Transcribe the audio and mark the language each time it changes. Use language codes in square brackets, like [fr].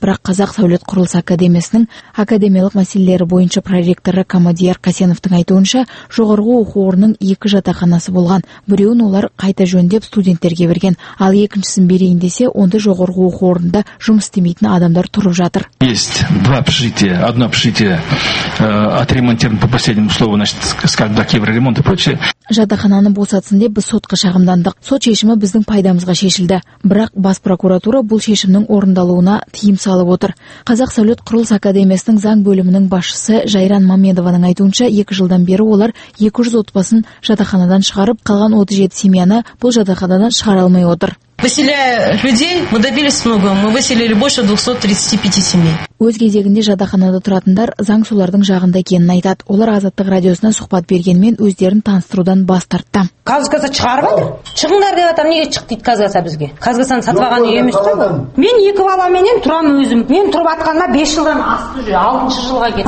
[kk] Бірақ Қазақ Сәулет Құрылыс Академиясының академиялық мәселелері бойынша проректоры Камадияр Қасеновтың айтуынша, жоғарғы оқу орнының 2 жатақханасы болған. Біреуін олар қайта жөндеп студенттерге берген, ал екіншісін берейін десе, онда жоғарғы оқу орнында жұмыс істемейтін адамдар тұрып жатыр. [ru] Есть два общежития, одно общежитие отремонтировано по последнему слову, значит, как бы кибер ремонт и прочее. [kk] Жатақхананы босатсын деп біз сотқа шағымдандық. Сот шешімі біздің пайдамызға шешілді. Бірақ бас прокуратура бұл шешімнің орындалуына тыйым салып отыр. Қазақ Сәулет Құрылыс Академиясының заң бөлімінің басшысы Жайран Мамедованың айтуынша, 2 жылдан бері олар 200 отбасын жатақханадан шығарып, қалған 37 семьяны бұл жатақханадан шығара алмай отыр. [ru] Выселяя людей, мы добились многого. Мы выселили больше 235 семей. [kk] Өз кезегінде жатақханада тұратындар заң солардың жағында екенін айтады. Олар Азаттық радиосына сұхбат бергенмен өздерін таныстырудан бас тартты. Қазгаса шығарып отыр. Шығыңдар деп атам, неге шық дейді Қазгаса бізге? Қазгасаны сатып алған үй емес қой бұл? Мен 2 баламен тұрамын өзім. Мен тұрып атқанда 5 жылдан асты жүр, 6 жылға кетті.